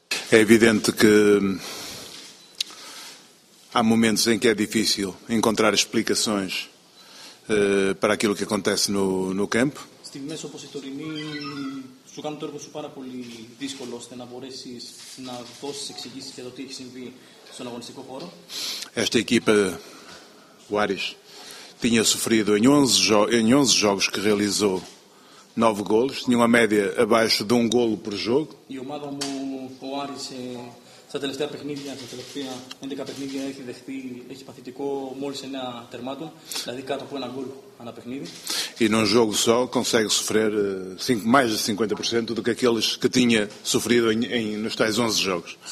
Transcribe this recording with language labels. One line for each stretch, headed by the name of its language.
Portuguese: É evidente que há momentos em que é difícil encontrar explicações para aquilo que acontece no campo.
Greek: Στιγμές όπως η τωρινή σου κάνουν το έργο σου πάρα πολύ δύσκολο ώστε να μπορέσεις να δώσεις εξηγήσεις για το τι έχει συμβεί στον αγωνιστικό χώρο.
Portuguese: Esta equipa, o Áries, tinha sofrido em 11 jogos que realizou 9 golos, tinha uma média abaixo de 1 golo por jogo.
Greek: Η ομάδα μου, ο Άρης, στα τελευταία παιχνίδια, στα τελευταία 11 παιχνίδια έχει παθητικό μόλις ένα τερμάτο, δηλαδή κάτω από ένα γκολ ανά παιχνίδι.
Portuguese: E num jogo só consegue sofrer mais de 50% do que aqueles que tinha sofrido nos tais 11 jogos.